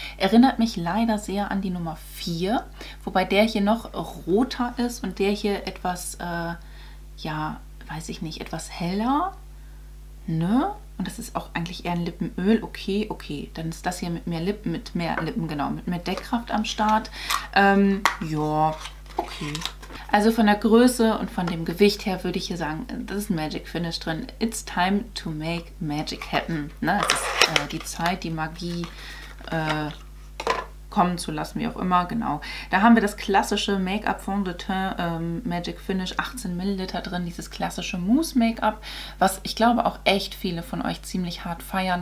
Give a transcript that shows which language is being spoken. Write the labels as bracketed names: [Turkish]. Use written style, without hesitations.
[German] Erinnert mich leider sehr an die Nummer 4. Wobei der hier noch roter ist und der hier etwas, etwas heller. Ne? Und das ist auch eigentlich eher ein Lippenöl. Okay. Dann ist das hier mit mehr Deckkraft am Start. Okay. Also von der Größe und von dem Gewicht her würde ich hier sagen, das ist ein Magic Finish drin. [English] It's time to make magic happen. [German] Ne? Das ist die Zeit, die Magie kommen zu lassen, wie auch immer. Genau. Da haben wir das klassische Make-up Fond de Teint Magic Finish 18 ml drin. Dieses klassische Mousse Make-up, was ich glaube auch echt viele von euch ziemlich hart feiern.